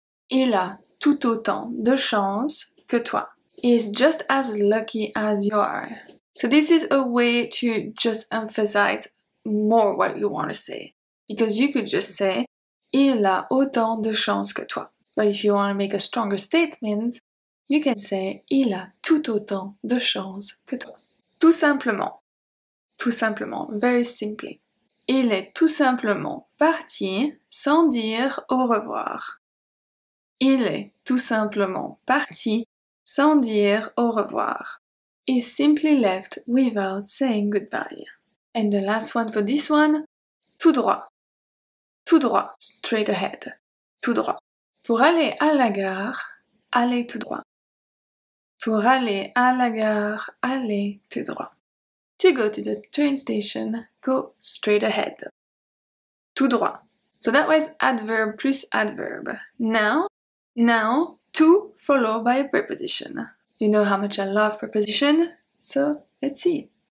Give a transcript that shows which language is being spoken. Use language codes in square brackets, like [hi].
[fr] Il a tout autant de chance que toi. [en] He is just as lucky as you are. So this is a way to just emphasize more what you want to say. Because you could just say, [fr] il a autant de chance que toi. [en] But if you want to make a stronger statement, you can say, [fr] il a tout autant de chance que toi. Tout simplement. [en] Tout simplement. Very simply. [fr] Il est tout simplement parti sans dire au revoir. Il est tout simplement parti sans dire au revoir. [en] He simply left without saying goodbye. And the last one for this one, [fr] tout droit. Tout droit, [en] straight ahead. [fr] Tout droit. Pour aller à la gare, allez tout droit. Pour aller à la gare, allez tout droit. [en] To go to the train station, go straight ahead. [fr] Tout droit. [en] So that was adverb plus adverb. Now, to followed by a preposition. You know how much I love preposition, so let's see.